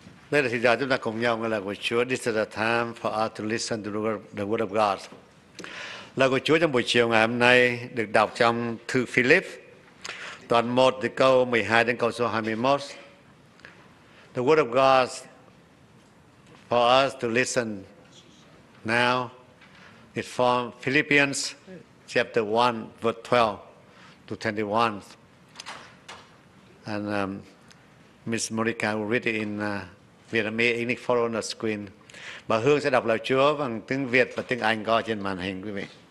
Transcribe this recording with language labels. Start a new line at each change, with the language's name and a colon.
Vietnamese: Đây là thời gian chúng ta cùng nhau nghe lời của Chúa.
English: This is the time for us to listen to the word of God.
Vietnamese: Lời của Chúa trong buổi chiều ngày hôm nay được đọc trong thư Philip, đoạn 1 từ câu 12 đến câu số 21.
English: The word of God for us to listen now is from Philippians chapter 1, verse 12 to 21. And Miss Monica will read it in Vietnamese, English follow on the screen.
Vietnamese: Bà Hương sẽ đọc lời Chúa bằng tiếng Việt và tiếng Anh có trên màn hình, quý vị.